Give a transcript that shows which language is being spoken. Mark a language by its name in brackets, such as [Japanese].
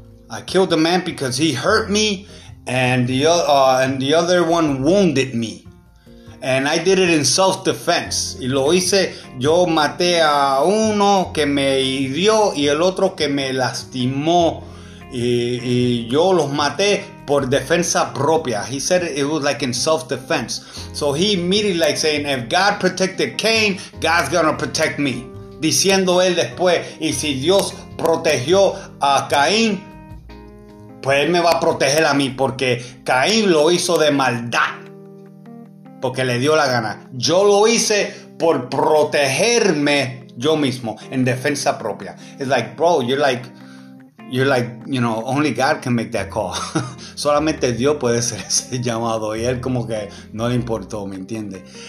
[English] I killed a man because he hurt me and the other one wounded me. And I did it in self-defense. [Spanish] Y lo hice, yo maté a uno que me hirió y el otro que me lastimó. Y yo los maté por defensa propia. [English] He said it was like in self-defense. So he immediately like saying, if God protected Cain, God's gonna protect me. [Spanish] Diciendo él después, y si Dios protegió a Caín, pues él me va a proteger a mí, porque Caín lo hizo de maldad, porque le dio la gana. Yo lo hice por protegerme yo mismo, en defensa propia. [English] It's like, bro, you're like, only God can make that call. [Spanish] Solamente Dios puede hacer ese llamado. Y él como que no le importó, ¿me entiende?